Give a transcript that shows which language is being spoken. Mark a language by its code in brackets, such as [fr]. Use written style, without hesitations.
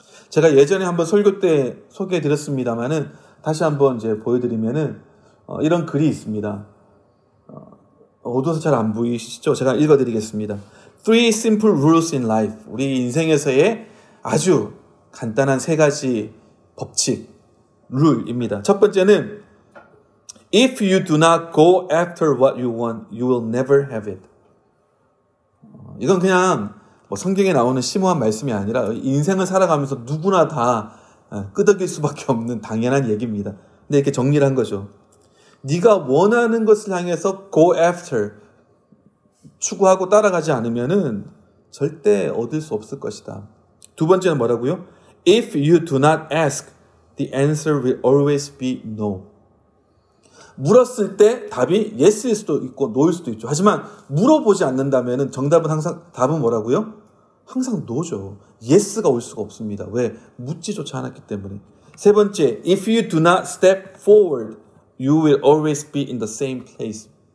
[ko] 제가 예전에 한번 설교 때 소개해드렸습니다만은 다시 한번 이제 보여드리면은 이런 글이 있습니다. 어두워서 잘 안 보이시죠? 제가 읽어드리겠습니다. [en] Three simple rules in life. [ko] 우리 인생에서의 아주 간단한 세 가지 법칙, rule입니다. 첫 번째는 [en] If you do not go after what you want, you will never have it. [ko] 이건 그냥 뭐 성경에 나오는 심오한 말씀이 아니라 인생을 살아가면서 누구나 다 끄덕일 수밖에 없는 당연한 얘기입니다. 근데 이렇게 정리를 한 거죠. 네가 원하는 것을 향해서 [en] go after, [ko] 추구하고 따라가지 않으면은 절대 얻을 수 없을 것이다. 두 번째는 뭐라고요? [en] If you do not ask, the answer will always be no. [ko] 물었을 때 답이 yes일 수도 있고 no일 수도 있죠. 하지만 물어보지 않는다면 정답은 항상, 답은 뭐라고요? 항상 no죠. yes가 올 수가 없습니다. 왜? 묻지조차 않았기 때문에. 세 번째, [en] if you do not step forward, you will always be in the same place.